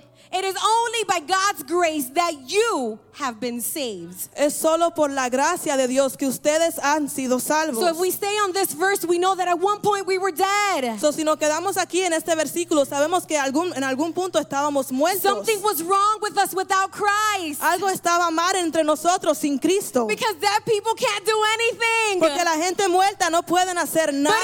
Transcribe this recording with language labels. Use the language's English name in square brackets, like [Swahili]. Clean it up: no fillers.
[English] It is only by God's grace that you have been saved. [Spanish] Es solo por la gracia de Dios que ustedes han sido salvos. [English] So if we stay on this verse, we know that at one point we were dead. [Spanish] So si nos quedamos aquí en este versículo, sabemos que en algún punto estábamos muertos. [English] Something was wrong with us without Christ. [Spanish] Algo estaba mal entre nosotros sin Cristo. [English] Because dead people can't do anything. [Spanish] Porque la gente muerta no pueden hacer nada.